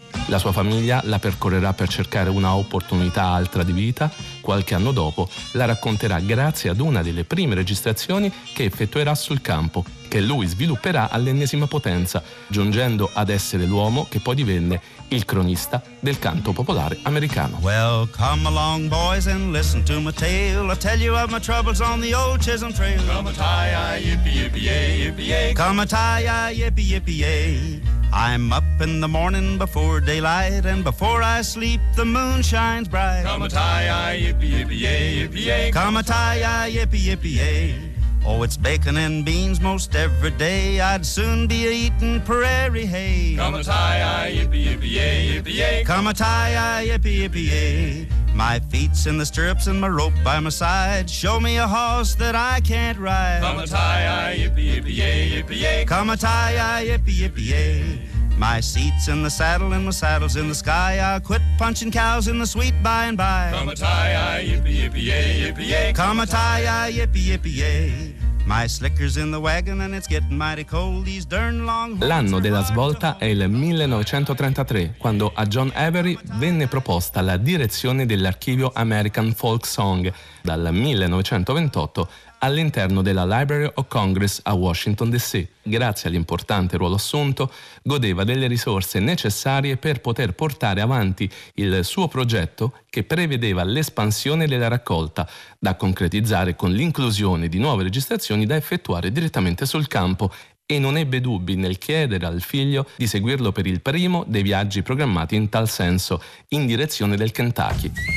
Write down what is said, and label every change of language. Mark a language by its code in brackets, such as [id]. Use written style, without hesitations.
[it] La sua famiglia la percorrerà per cercare una opportunità altra di vita, qualche anno dopo la racconterà grazie ad una delle prime registrazioni che effettuerà sul campo, che lui svilupperà all'ennesima potenza, giungendo ad essere l'uomo che poi divenne il cronista del canto popolare americano. [en] Well, come along, boys, and listen to my tale. I tell you of my troubles on the old Chisholm Trail. Come a tie, yippee, yippee, yippee, come a tie, yippee, yippee. I'm up in the morning before daylight, and before I sleep, the moon shines bright. Come a tie, yippee, yippee, yay, yippee, yay. Come a tie, yippee, yippee, yay. Oh, it's bacon and beans most every day. I'd soon be eating prairie hay. Come a tie, yippee, yippee, yay, yippee, yay. Come a tie, yippee, yippee, yay. My feet's in the stirrups and my rope by my side. Show me a horse that I can't ride. Come a tie, yippee, yippee, yay, yippee, yay. Come a tie, yippee, yippee, yay. My seat's in the saddle and my saddle's in the sky. I'll quit punching cows in the sweet by and by. Come a tie, yippee, yippee, yay, yippee, yay. Come a tie, yippee, yippee, yay. My slicker's in the wagon and it's getting mighty cold. These darn long. [it] L'anno della svolta è il 1933, quando a John Avery venne proposta la direzione dell'archivio American Folk Song, dal 1928 all'interno della Library of Congress a Washington DC. Grazie all'importante ruolo assunto, godeva delle risorse necessarie per poter portare avanti il suo progetto, che prevedeva l'espansione della raccolta, da concretizzare con l'inclusione di nuove registrazioni da effettuare direttamente sul campo, e non ebbe dubbi nel chiedere al figlio di seguirlo per il primo dei viaggi programmati in tal senso, in direzione del Kentucky.